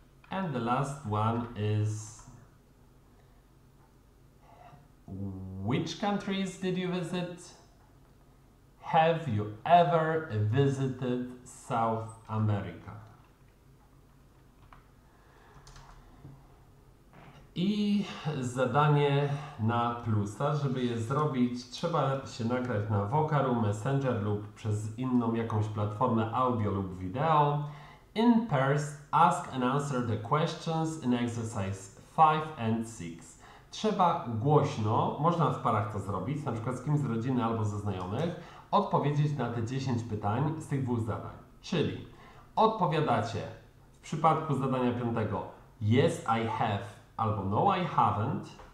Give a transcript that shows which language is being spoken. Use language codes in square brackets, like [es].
[en] And the last one is... Which countries did you visit? Have you ever visited South America? [pl] I zadanie na plusa, żeby je zrobić, trzeba się nagrać na Vocaroom, Messenger lub przez inną jakąś platformę audio lub wideo. [en] In pairs, ask and answer the questions in exercise 5 and 6. [pl] Trzeba głośno, można w parach to zrobić, na przykład z kimś z rodziny albo ze znajomych, odpowiedzieć na te 10 pytań z tych dwóch zadań. Czyli odpowiadacie w przypadku zadania piątego [en] yes, I have [pl] albo [en] no, I haven't.